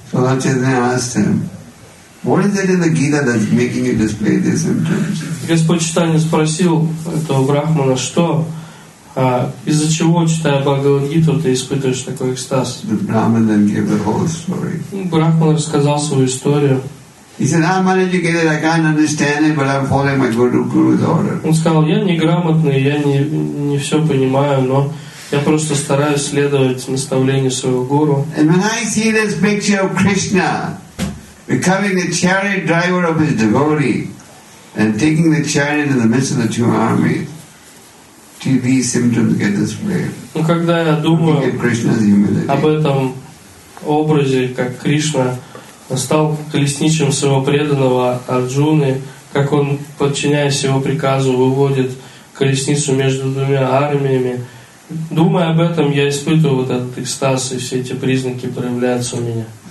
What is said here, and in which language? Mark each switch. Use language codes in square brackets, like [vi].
[ru] Господь Чайтанья спросил этого брахмана, что из-за чего, читая Бхагавад-гиту, ты испытываешь такой экстаз? [en] The Brahman then gave the whole story. [ru] Брахман рассказал свою историю. [en] He said, "I'm uneducated. I can't understand it, but I'm following my guru's order." [ru] Он сказал: я неграмотный, я не все понимаю, но Я просто стараюсь следовать наставлению своего гуру. [en] And when I see this picture of Krishna becoming the chariot driver of his devotee and taking the chariot in the midst of the two armies, these symptoms get displayed. [ru] Ну когда я думаю об этом образе, как Кришна стал колесничим своего преданного Арджуны, как он, подчиняясь его приказу, выводит колесницу между двумя армиями. Думая об этом, я испытываю вот этот экстаз, и все эти признаки проявляются у меня.